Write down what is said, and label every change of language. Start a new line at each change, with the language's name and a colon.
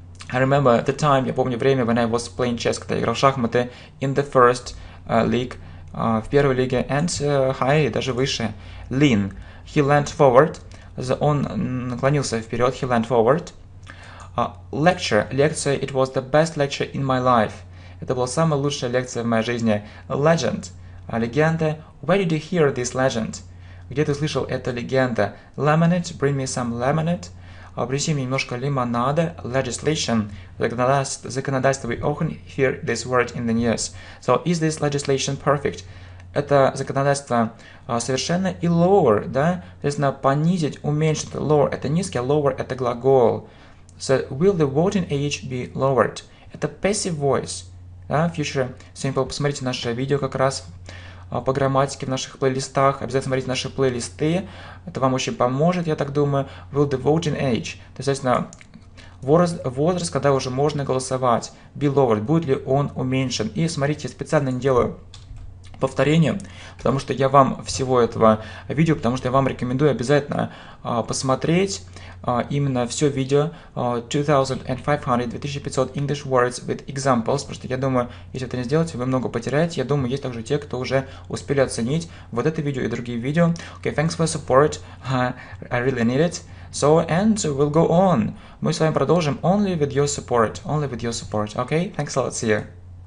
English: I remember the time,
Russian: я помню время,
English: when I was playing chess,
Russian: когда я играл в шахматы,
English: in the first league,
Russian: в первой лиге,
English: and high,
Russian: даже выше,
English: lean, he leaned forward,
Russian: он наклонился вперед,
English: he leaned forward, lecture,
Russian: лекция,
English: it was the best lecture in my life.
Russian: Это была самая лучшая лекция в моей жизни.
English: Legend,
Russian: легенда.
English: Where did you hear this legend?
Russian: Где ты слышал эту легенду?
English: Lemonade, bring me some lemonade.
Russian: Принеси мне немножко лимонада.
English: Legislation,
Russian: законодательство.
English: We often hear this word in the news. So, is this legislation perfect?
Russian: Это законодательство совершенно. И lower, да? Соответственно, понизить, уменьшить.
English: Lower,
Russian: это низкий,
English: lower,
Russian: это глагол.
English: So, will the voting age be lowered?
Russian: Это passive voice. Да, future simple. Посмотрите наше видео как раз по грамматике в наших плейлистах. Обязательно смотрите наши плейлисты. Это вам очень поможет, я так думаю.
English: Will the voting age?
Russian: То есть, соответственно, возраст, когда уже можно голосовать.
English: Be lowered.
Russian: Будет ли он уменьшен? И смотрите, специально не делаю повторение, потому что я вам всего этого видео, потому что я вам рекомендую обязательно посмотреть именно все видео 2500 English words with examples, потому что я думаю, если это не сделаете, вы много потеряете. Я думаю, есть также те, кто уже успели оценить вот это видео и другие видео.
English: Okay, thanks for support, I really need it. So, and we'll go on.
Russian: Мы с вами продолжим
English: only with your support. Only with your support, okay? Thanks a lot, see you.